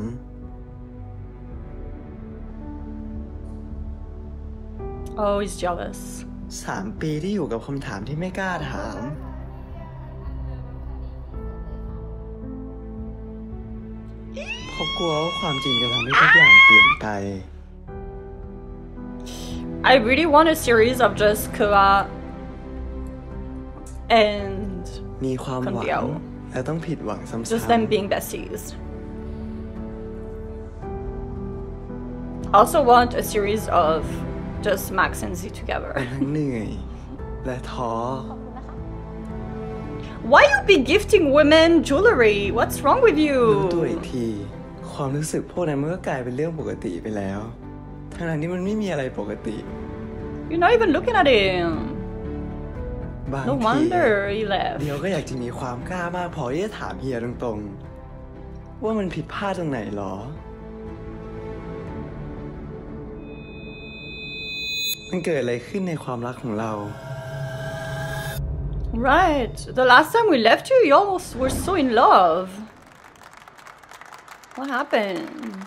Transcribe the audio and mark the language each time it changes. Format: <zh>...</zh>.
<en>ๆ Oh, he's jealous.</en> <th>3ปีที่อยู่กับคำถามที่ไม่กล้าถาม เพราะกลัวว่าความจริงจะทำให้ทุกอย่างเปลี่ยนไป</th> <en>I really want a series of just Kua and</en> <th>มีความหวังและต้องผิดหวังซ้ำๆ</th> <en>Just them being besties. Also want a series of just Max and Z together.</en> <th>ทั้งเหนื่อยและท้อ</th> <en>Why you be gifting women jewelry? What's wrong with you?</en> <th>รู้ตัวอีกทีความรู้สึกพวกนั้นมันก็กลายเป็นเรื่องปกติไปแล้วทางหลังนี้มันไม่มีอะไรปกติ</th> <en>You're not even looking at him No wonder he left</en> <th>เดี๋ยวก็อยากจะมีความกล้ามากพอที่จะถามเฮียตรงๆว่ามันผิดพลาดตรงไหนหรอมันเกิดอะไรขึ้นในความรักของเรา</th> <en>Right The last time we left you you almost were so in love What happened</en>